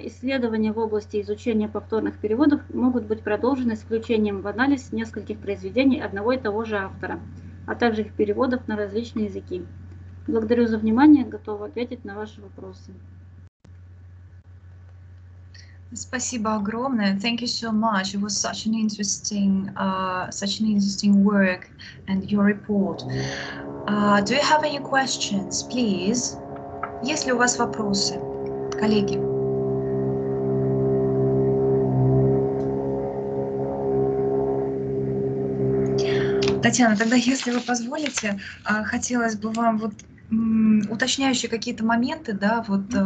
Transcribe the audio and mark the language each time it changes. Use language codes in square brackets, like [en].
[ru] Исследования в области изучения повторных переводов могут быть продолжены с включением в анализ нескольких произведений одного и того же автора, а также их переводов на различные языки. Благодарю за внимание. Готова ответить на ваши вопросы. Спасибо огромное. [en] Thank you so much. It was such an interesting work and your report. Do you have any questions, please? [ru] Есть ли у вас вопросы, коллеги? Татьяна, тогда, если вы позволите, хотелось бы вам вот уточняющие какие-то моменты, да, вот.